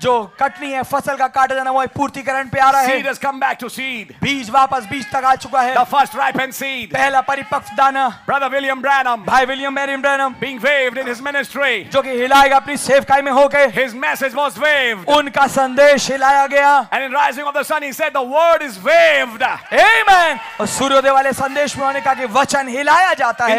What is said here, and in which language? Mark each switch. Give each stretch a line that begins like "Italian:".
Hindi: जो कटनी है फसल का काटा जाना वो पूर्तिकरण पे आ रहा है
English: seed has come back to seed
Hindi: बीज वापस बीज तक आ चुका है
English: the first ripened seed
Hindi: पहला परिपक्व दाना
English: brother William Branham
Hindi: भाई William Mariam Branham
English: being waved in his ministry
Hindi: जो कि हिलाएगा अपनी सेवकाई में होके
English: His message was waved.
Hindi: उनका संदेश हिलाया गया
English: And in rising of the sun, he said, the word is waved. Amen.
Hindi: और सूर्योदय वाले संदेश में उन्होंने कहा कि वचन हिलाया जाता है